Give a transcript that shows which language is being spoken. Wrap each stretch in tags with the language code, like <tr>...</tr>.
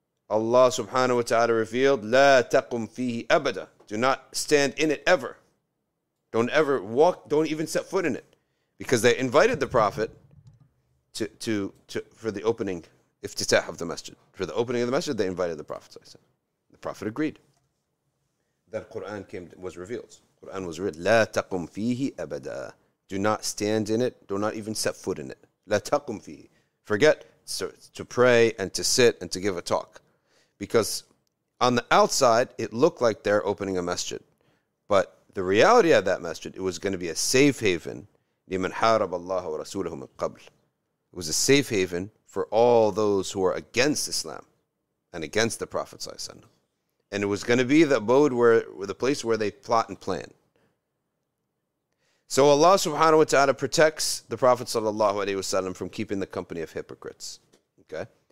<en>Allah subhanahu wa ta'ala revealed,</en> <ar>لا تقم فيه أبدا.</ar> <en>Do not stand in it ever. Don't ever walk, don't even set foot in it. Because they invited the Prophet to for the opening, iftitah of the masjid. For the opening of the masjid, they invited the Prophet. The Prophet agreed. That Quran came was revealed. Quran was read,</en> <ar>لا تقم فيه أبدا.</ar> <en>Do not stand in it. Do not even set foot in it.</en> <ar>لا تقم فيه.</ar> <en>Forget to pray and to sit and to give a talk. Because on the outside, it looked like they're opening a masjid. But the reality of that masjid, it was going to be a safe haven.</en> <ar>لمن حارب الله ورسوله من قبل.</ar> <en>It was a safe haven for all those who are against Islam and against the Prophet ﷺ. And it was going to be the abode where the place where they plot and plan. So Allah subhanahu wa ta'ala protects the Prophet sallallahu alayhi wasallam from keeping the company of hypocrites. Okay?</en>